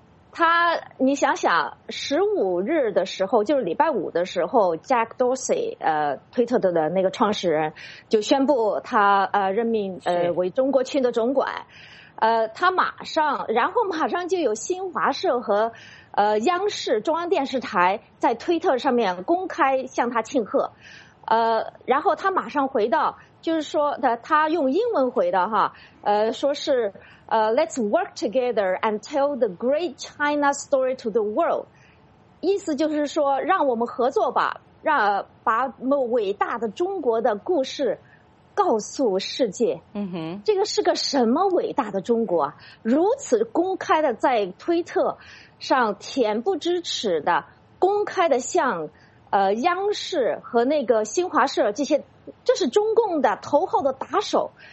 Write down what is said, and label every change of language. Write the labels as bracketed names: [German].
[Chinese] 他，你想想，15日的时候，就是礼拜五的时候 ，Jack Dorsey， 推特的那个创始人就宣布他任命为中国区的总管，他马上，然后马上就有新华社和央视中央电视台在推特上面公开向他庆贺，然后他马上回到，就是说他用英文回的哈，说是。 [English] Let's work together and tell the great China story to the world. [Chinese] 意思就是说，让我们合作吧，让把伟大的中国的故事告诉世界。嗯哼，这个是个什么伟大的中国啊？如此公开的在推特上恬不知耻的公开的向央视和那个新华社这些，这是中共的头号的打手。